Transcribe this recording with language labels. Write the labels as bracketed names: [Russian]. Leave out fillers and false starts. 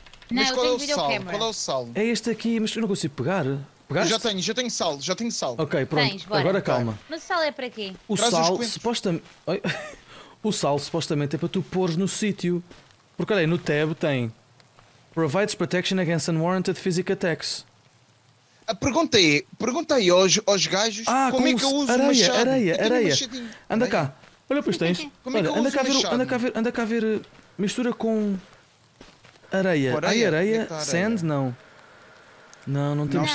[Portuguese] Não, mas qual é o sal? É este aqui, mas eu não consigo pegar. Pegaste? Já tenho sal. Ok, pronto. Tens, agora calma. Mas o sal é para quê? O traz sal, supostamente. O sal, supostamente, é para tu pôres no sítio. Porque olha aí, no tab tem. [English] Provides protection against unwarranted physical attacks. [Portuguese] Pergunta aí aos gajos como é que eu uso areia, o machado. Areia. Anda cá. Olha, pois tens. Anda cá ver. Mistura com. Areia. Areia? Ai, areia? Areia? Sand? Não. Não temos